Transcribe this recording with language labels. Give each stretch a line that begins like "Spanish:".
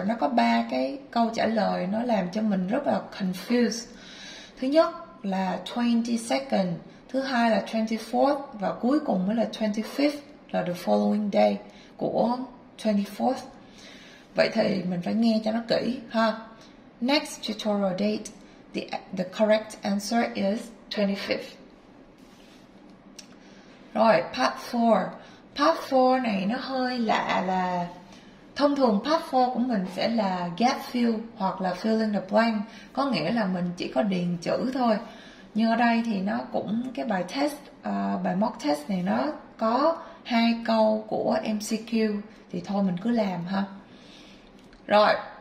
Vietnamese: Nó có 3 cái câu trả lời nó làm cho mình rất là confused. Thứ nhất là 22nd, thứ hai là 24th, và cuối cùng mới là 25th, là
English: the following day
Vietnamese: của 24th. Vậy thì mình phải nghe cho nó kỹ ha.
English: Next tutorial date, the correct answer is 25th.
Vietnamese: Rồi, part 4. Part 4 này nó hơi lạ là thông thường part 4 của mình sẽ là gap fill hoặc là fill in the blank, có nghĩa là mình chỉ có điền chữ thôi. Nhưng ở đây thì nó cũng cái bài test, bài mock test này nó có hai câu của MCQ, thì thôi mình cứ làm ha. Rồi.